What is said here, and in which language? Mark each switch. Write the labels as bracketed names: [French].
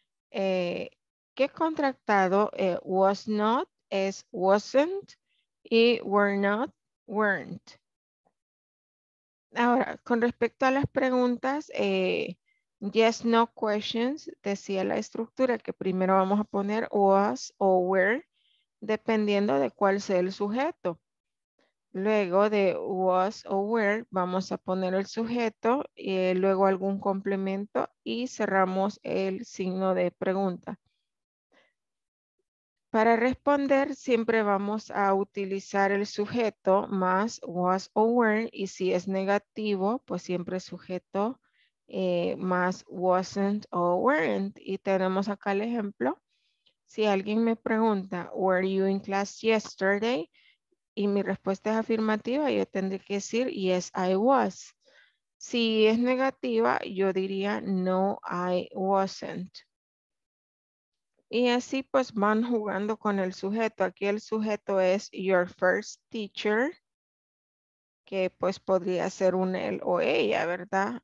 [Spanish] ¿Qué contractado was not es wasn't y were not weren't? Ahora, con respecto a las preguntas, yes, no questions, decía la estructura que primero vamos a poner was o were, dependiendo de cuál sea el sujeto. Luego de was o were, vamos a poner el sujeto y luego algún complemento y cerramos el signo de pregunta. Para responder, siempre vamos a utilizar el sujeto más was o were, y si es negativo, pues siempre sujeto más wasn't o weren't. Y tenemos acá el ejemplo. Si alguien me pregunta, [English] were you in class yesterday? [Spanish] Y mi respuesta es afirmativa, yo tendré que decir, [English] yes, I was. [Spanish] Si es negativa, yo diría, [English] no, I wasn't. [Spanish] Y así pues van jugando con el sujeto. Aquí el sujeto es [English] your first teacher, [Spanish] que pues podría ser un él o ella, ¿verdad?